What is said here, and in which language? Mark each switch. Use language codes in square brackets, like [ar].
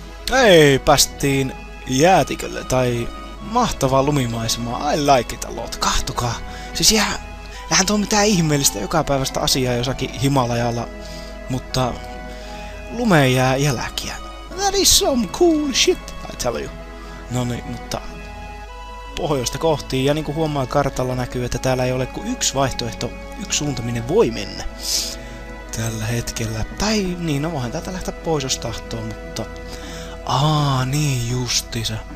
[fi] Hei, päästiin jäätikölle tai mahtavaa lumimaisemaa. [en] I like it a lot. [fi] Kahtokaa. Siis ihan, eihän tuo mitään ihmeellistä jokapäiväistä asiaa jossakin Himalajalla, mutta lumeen jää jäläkiä. [en] That is some cool shit, I tell you. [fi] Noniin, mutta pohjoista kohti, ja niinku huomaa kartalla näkyy, että täällä ei ole kuin yksi vaihtoehto, yksi suunta, minne voi mennä. Tällä hetkellä. Tai niin, no voihan täältä lähteä pois, jos tahtoo, mutta niin justiinsa.